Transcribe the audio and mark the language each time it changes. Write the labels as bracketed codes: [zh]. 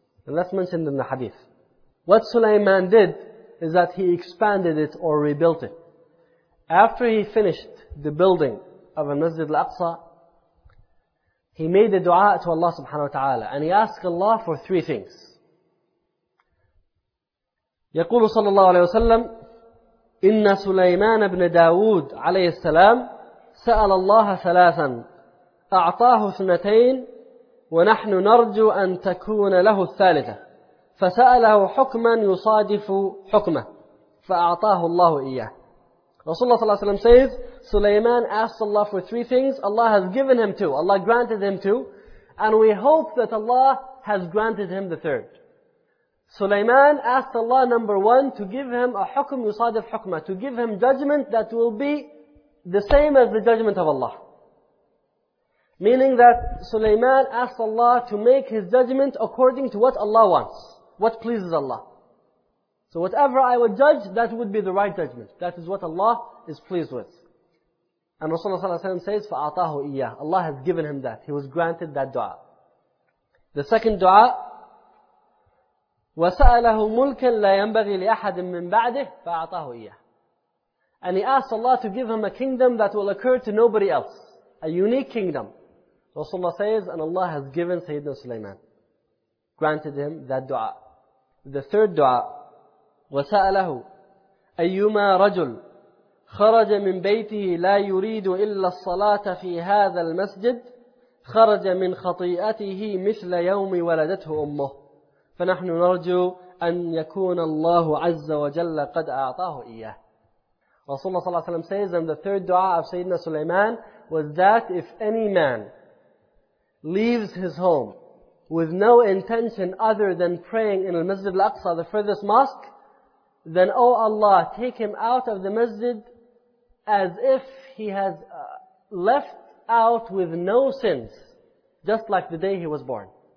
[en] And that's mentioned in the hadith. What Sulaiman did is that he expanded it or rebuilt it. After he finished the building of Al-Masjid Al-Aqsa, he made a dua to Allah subhanahu wa ta'ala, and he asked Allah for three things. [ar] يقول صلى الله عليه وسلم إن سليمان بن داود عليه السلام سأل الله ثلاثا أعطاه اثنتين ونحن نرجو أن تكون له الثالثة فسأله حكما يصادف حكمه فأعطاه الله إياه. رسول الله صلى الله عليه وسلم [en] says, Sulaiman asked Allah for three things. Allah has given him two. Allah granted him two. And we hope that Allah has granted him the third. Sulaiman asked Allah, number one, to give him a [ar] hukm yusadif hukma, [en] to give him judgment that will be the same as the judgment of Allah. Meaning that Sulaiman asked Allah to make his judgment according to what Allah wants, what pleases Allah. So whatever I would judge, that would be the right judgment. That is what Allah is pleased with. And Rasulullah ﷺ says, [ar] فَأَعْطَاهُ إِيَّهُ. [en] Allah has given him that. He was granted that dua. The second dua, [ar] وَسَأَلَهُ مُلْكًا لَا يَنْبَغِي لِأَحَدٍ مِّن بَعْدِهِ فَأَعْطَاهُ إِيَّهُ. [en] And he asked Allah to give him a kingdom that will occur to nobody else. A unique kingdom. Rasulullah says, and Allah has given Sayyidina Sulaiman. Granted him that dua. The third dua, [ar] وَسَأَلَهُ أَيُّمَا رَجُلْ خرج من بيته لا يريد إلا الصلاة في هذا المسجد خرج من خطيئته مثل يوم ولدته أمه فنحن نرجو أن يكون الله عز وجل قد أعطاه إياه. [en] Rasulullah صلى الله عليه وسلم says, and the third dua of Sayyidina Sulaiman was that if any man leaves his home with no intention other than praying in al-Masjid al-Aqsa, the furthest mosque, then O Allah, take him out of the masjid as if he has left out with no sins, just like the day he was born.